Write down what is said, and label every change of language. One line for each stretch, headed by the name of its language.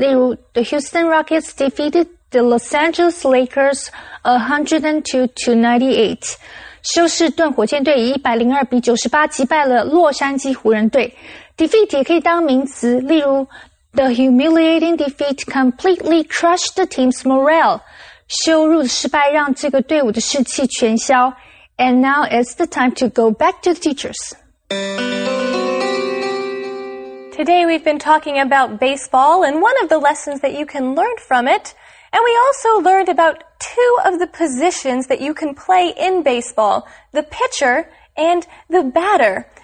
Chinese: 例如
English: ,the Houston Rockets defeated the Los Angeles Lakers 102-98.
Chinese: 休斯顿火箭队以102-98击败了洛杉矶湖人队。 defeat 也可以当名词。例如
English: ,the humiliating defeat completely crushed the team's morale.
Chinese: 羞辱失败让这个队伍的士气全消。
English: And now it's the time to go back to the teachers. Today we've been talking about baseball and one of the lessons that you can learn from it. And we also learned about two of the positions that you can play in baseball, the pitcher and the batter.